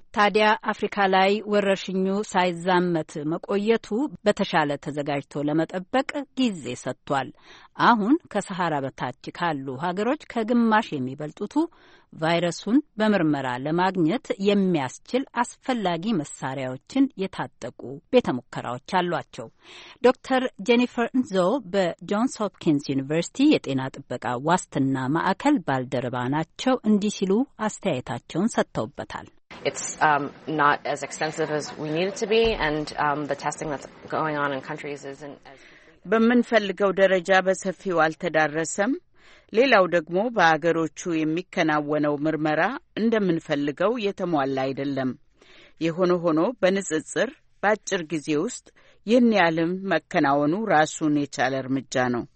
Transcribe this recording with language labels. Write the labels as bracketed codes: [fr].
[am] ታዲያ አፍሪካ ላይ ወረርሽኙ ሳይዛመት መቆየቱ በተሻለ ተዘጋጅቶ ለመጠበቅ ጊዜ ሰጥቷል። አሁን ከሰሃራ በታች ካሉ ሀገሮች ከግማሽ የሚበልጡቱ ቫይረሱን በመርመራ ለማግኘት የሚያስችል አስፈላጊ መሳሪያዎችን የታጠቁ ቤተ ሙከራዎች አሏቸው። ዶክተር ጄኒፈር ንዞ በጆንስ ሆፕኪንስ ዩኒቨርሲቲ የጤና ጥበቃ ዋስትና ማዕከል ባልደረባ ናቸው። እንዲህ ሲሉ አስተያየታቸውን ሰጥተውበታል። [en] It's not as extensive as we need it to be, and the testing that's going on in countries isn't as [am] በምንፈልገው ደረጃ በሰፊው አልተዳረሰም። ሌላው ደግሞ በአገሮቹ የሚከናወነው ምርመራ እንደምንፈልገው የተሟላ አይደለም። የሆነ ሆኖ በንጽጽር ባጭር ጊዜ ውስጥ ይህን ያለም መከናወኑ ራሱን የቻለ እርምጃ ነው።